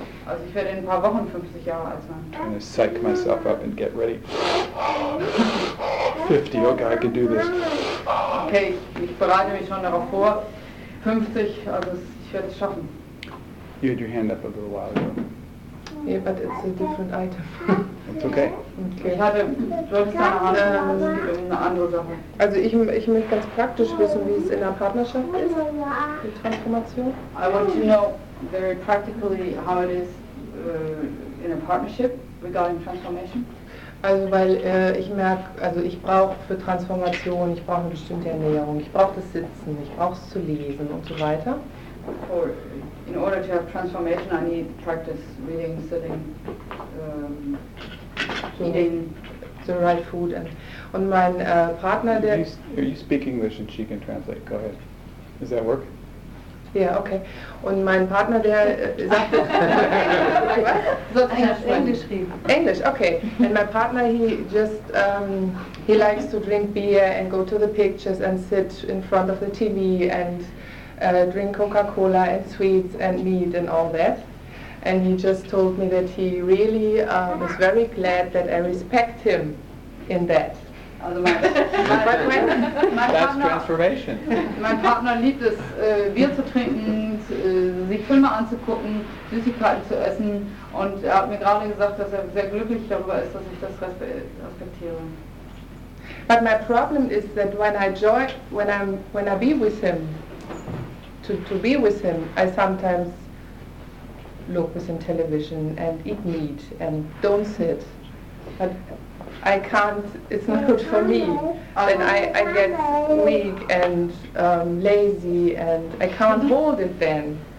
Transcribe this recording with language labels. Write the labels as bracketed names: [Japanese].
[German] Also ich werde in ein paar Wochen 50 Jahre alt sein. [English] I'm trying to psych myself up and get ready. 50, okay, I can do this. [German] Okay, ich bereite mich schon darauf vor. 50, also ich werde es schaffen. [English] You had your hand up a little while ago. Yeah, but it's a different item. It's okay. [German] Ich hatte, du hattest eine andere Sache. Also ich möchte ganz praktisch wissen, wie es in der Partnerschaft ist, die Transformation. [English] I want to know very practically how it is in a partnership regarding transformation. [German] Also weil ich merke, also ich brauche für Transformation, ich brauche eine bestimmte Ernährung, ich brauche das Sitzen, ich brauche es zu lesen und so weiter. [English] For, in order to have transformation, I need practice, reading, sitting, eating the right food. And my partner, there. You speak English and she can translate. Go ahead. Does that work? Yeah, okay. And my partner, [German] der sagte, [English] English, okay. And my partner, he just, he likes to drink beer and go to the pictures and sit in front of the TV and drink Coca-Cola and sweets and meat and all that. And he just told me that he really was very glad that I respect him in that. That's transformation. [German] Mein Partner liebt es, Bier zu trinken, sich Filme anzugucken, Süßigkeiten zu essen, und er hat mir gerade gesagt, dass er sehr glücklich darüber ist, dass ich das respektiere. [English] But my problem is that when I be with him, to be with him, I sometimes look with him television and eat meat and don't sit. But I can't, it's not good for me. Then I get weak and lazy and I can't hold it then.